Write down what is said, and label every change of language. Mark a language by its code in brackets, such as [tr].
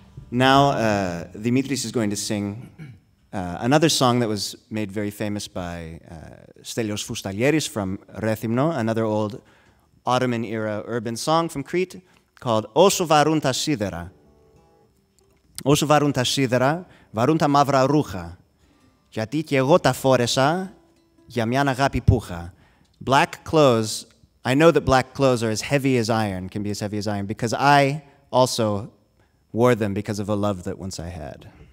[en] Now Dimitris is going to sing another song that was made very famous by Stelios Fustalieris from Rethymno, another old Ottoman-era urban song from Crete called Osu Varun Ta Sidera. [el] Όσο βαρούν τα σίδερα, βαρούν τα μαύρα ρούχα. Γιατί και εγώ τα φόρεσα για μια αγάπη πουχα. [en] Black clothes, I know that black clothes are as heavy as iron, can be as heavy as iron, because I also wore them because of a love that once I had.